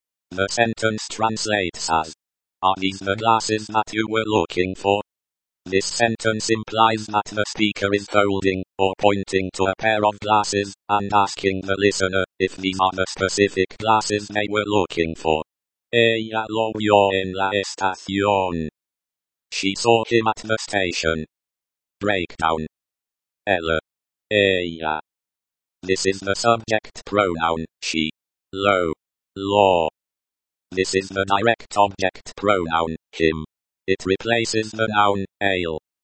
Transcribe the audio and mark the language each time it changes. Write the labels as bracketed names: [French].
[English] The sentence translates as, are these the glasses that you were looking for? This sentence implies that the speaker is holding, or pointing to a pair of glasses, and asking the listener, if these are the specific glasses they were looking for. [Spanish] Ella lo vio en la estación. [English] She saw him at the station. Breakdown. [Spanish] Ella. Ella. [English] This is the subject pronoun, she. [Spanish] Lo. Lo. [English] This is the direct object pronoun, him. It replaces the noun, él.